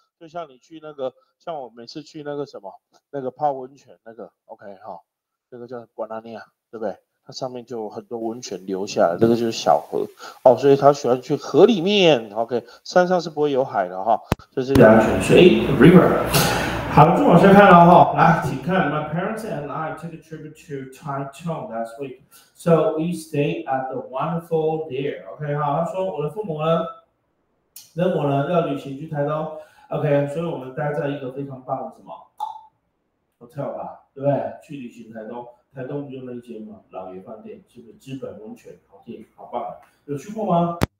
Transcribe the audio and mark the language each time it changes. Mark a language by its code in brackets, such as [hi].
[zh] 就像你去那个，像我每次去那个什么，那个泡温泉那个 ，OK 哈、哦，那个叫瓜纳尼亚，对不对？它上面就有很多温泉流下来，那个就是小河哦，所以他喜欢去河里面。 OK， 山上是不会有海的哈、哦，就是安全水 ，river。好，就往下看了哈。来，请看 [en] ，My parents and I took a trip to Taichung last week, so we stayed at the wonderful there. [zh] OK， 好，他说我的父母呢，跟我呢要旅行去台东。 OK， 所以我们待在一个非常棒的什么 hotel 吧，对不对？去旅行台东，台东不就那一间吗？老爷饭店，是不是资本温泉？好店，好棒，有去过吗？